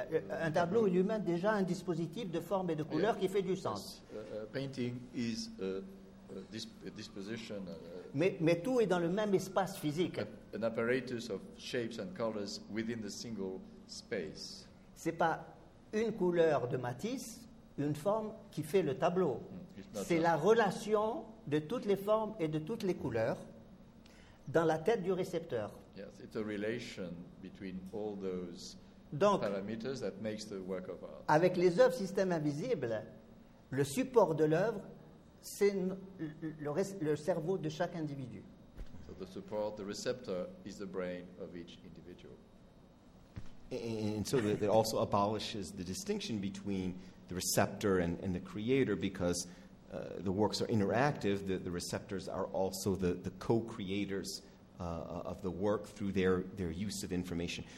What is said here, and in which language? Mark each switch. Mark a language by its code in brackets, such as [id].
[fr] Un tableau est lui-même déjà un dispositif de forme et de couleur qui fait du sens. [en] Painting is a disposition. [fr] Mais tout est dans le même espace physique. [en] An apparatus of shapes and colors within the single space. [fr] C'est pas une couleur de Matisse, une forme qui fait le tableau. C'est la relation de toutes les formes et de toutes les couleurs dans la tête du récepteur. [en] Yes, it's a relation between all those [fr] donc, [en] parameters that makes the work of art. [fr] Avec les œuvres système invisible, le support de l'œuvre, c'est le cerveau de chaque individu. [en] So the support, the receptor, is the brain of each individual. And so that also abolishes the distinction between the receptor and the creator because the works are interactive, the receptors are also the co-creators of the work through their use of information.